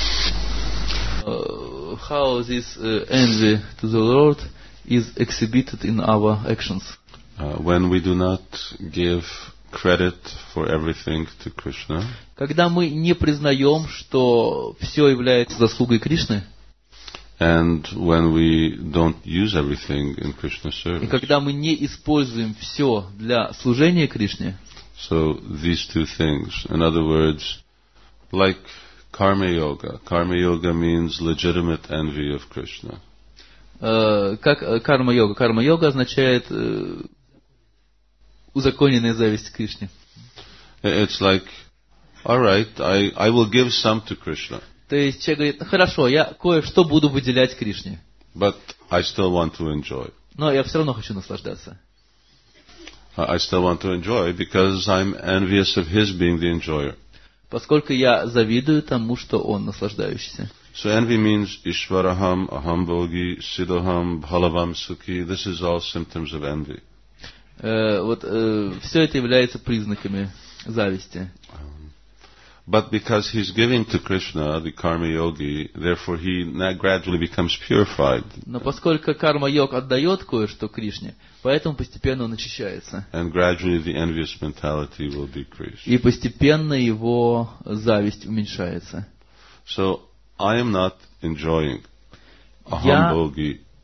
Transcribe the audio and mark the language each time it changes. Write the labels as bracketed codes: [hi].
[en] How this envy to the Lord is exhibited in our actions? When we do not give credit for everything to Krishna. [ru] Когда мы не признаем, что все является заслугой Кришны. [en] And when we don't use everything in Krishna's service. [ru] И когда мы не используем все для служения Кришне. [en] So these two things, in other words, like karma yoga. Karma yoga means legitimate envy of Krishna. [ru] Как карма йога? Карма йога означает узаконенная зависть к Кришне. [en] It's like, all right, I will give some to Krishna. [ru] То есть человек говорит, хорошо, я кое-что буду выделять Кришне. [en] But I still want to enjoy. [ru] Но я все равно хочу наслаждаться. [en] I still want to enjoy because I'm envious of his being the enjoyer. [ru] Поскольку я завидую тому, что он наслаждающийся. [en] So envy means [sa] Ishvaraham, Aham Bhogi, Siddham, Bhalavam Sukhi. [en] This is all symptoms of envy. [ru] Вот все это является признаками зависти. [en] But because he's giving to Krishna the karma yogi, therefore he now gradually becomes purified. [ru] Но поскольку карма йог отдает кое-что Кришне, поэтому постепенно он очищается. [en] And gradually the envious mentality will decrease. [ru] И постепенно его зависть уменьшается. [en] So I am not enjoying ахамбоги.